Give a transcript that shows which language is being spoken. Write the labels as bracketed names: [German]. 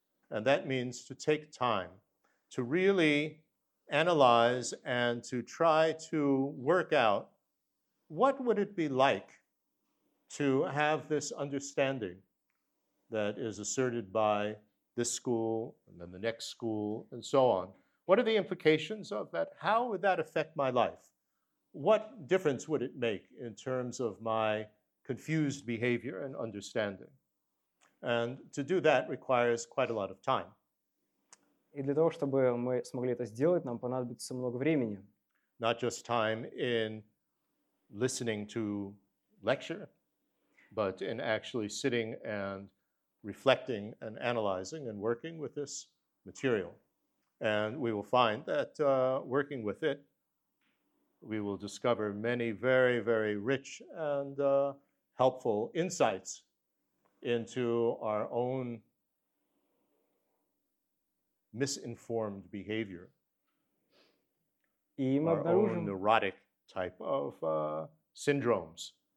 [English] And that means to take time to really analyze and to try to work out what would it be like to have this understanding that is asserted by this school and then the next school and so on. What are the implications of that? How would that affect my life? What difference would it make in terms of my confused behavior and understanding? And to do that requires quite a lot of time. [Russian] И для того, чтобы мы смогли это сделать, нам понадобится много времени. [English] Not just time in listening to lecture, but in actually sitting and reflecting and analyzing and working with this material. And we will find that working with it, we will discover many very, very rich and helpful insights into our own misinformed behavior, own neurotic type of syndromes.